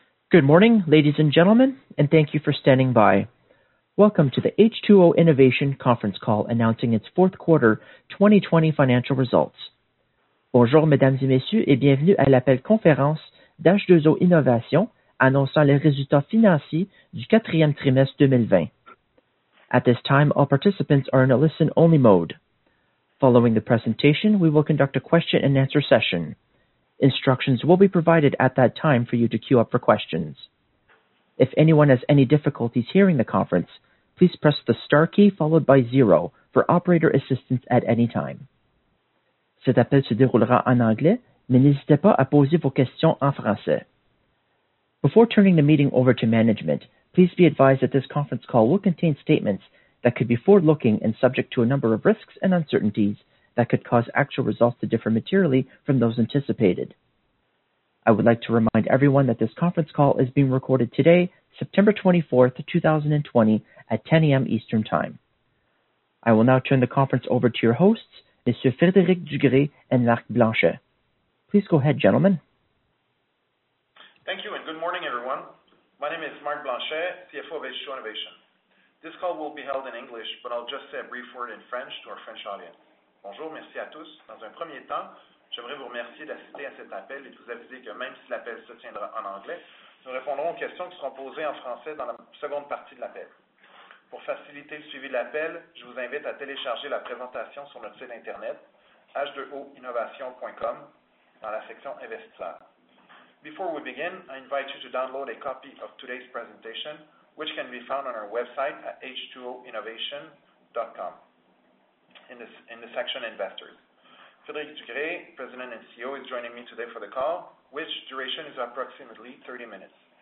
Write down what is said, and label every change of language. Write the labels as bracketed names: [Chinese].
[English] Good morning, ladies and gentlemen, and thank you for standing by. Welcome to the H2O Innovation conference call announcing its fourth quarter 2020 financial results. [French] Bonjour, mesdames et messieurs, et bienvenue à l'appel conférence d'H2O Innovation annonçant les résultats financiers du quatrième trimestre 2020. [English] At this time, all participants are in a listen-only mode. Following the presentation, we will conduct a question-and-answer session. Instructions will be provided at that time for you to queue up for questions. If anyone has any difficulties hearing the conference, please press the star key followed by zero for operator assistance at any time. [French] Cet appel se déroulera en anglais, mais n'hésitez pas à poser vos questions en français. [English] Before turning the meeting over to management, please be advised that this conference call will contain statements that could be forward-looking and subject to a number of risks and uncertainties that could cause actual results to differ materially from those anticipated. I would like to remind everyone that this conference call is being recorded today, September 24th, 2020, at 10 a.m. Eastern Time. I will now turn the conference over to your hosts, Monsieur Frédéric Dugré and Marc Blanchet. Please go ahead, gentlemen. Thank you and good morning, everyone. My name is Marc Blanchet, CFO of H2O Innovation. This call will be held in English, but I'll just say a brief word in French to our French audience. [French] Bonjour, merci à tous. Dans un premier temps, j'aimerais vous remercier d'assister à cet appel et de vous aviser que même si l'appel se tiendra en anglais, nous répondrons aux questions qui seront posées en français dans la seconde partie de l'appel. Pour faciliter le suivi de l'appel, je vous invite à télécharger la présentation sur notre site Internet, h2oinnovation.com, dans la section Investisseurs. [English] Before we begin, I invite you to download a copy of today's presentation, which can be found on our website at h2oinnovation.com. In the section Investors. Frédéric Dugré, President and CEO, is joining me today for the call, which duration is approximately 30 minutes.